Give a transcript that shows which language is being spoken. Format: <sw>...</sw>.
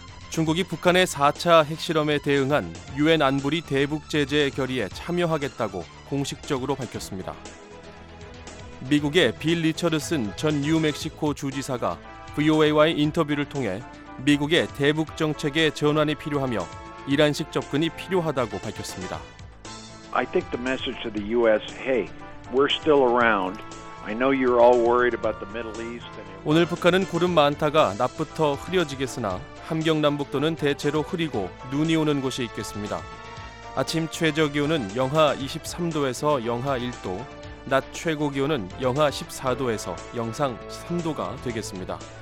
<ko>중국이 북한의 4차 핵실험에 대응한 유엔 안보리 대북 제재 결의에 참여하겠다고 공식적으로 밝혔습니다. 미국의 빌 리처드슨 전 뉴멕시코 주지사가 VOA와의 인터뷰를 통해 미국의 대북 정책에 전환이 필요하며 이란식 접근이 필요하다고 밝혔습니다.</ko> <en>I think the message to the US, hey, we're still around. I know you're all worried about the Middle East.</en> <ko>오늘 북한은 구름 많다가 낮부터 흐려지겠으나 함경남북도는 대체로 흐리고 눈이 오는 곳이 있겠습니다. 아침 최저 기온은 영하 23도에서 영하 1도, 낮 최고 기온은 영하 14도에서 영상 3도가 되겠습니다.</ko>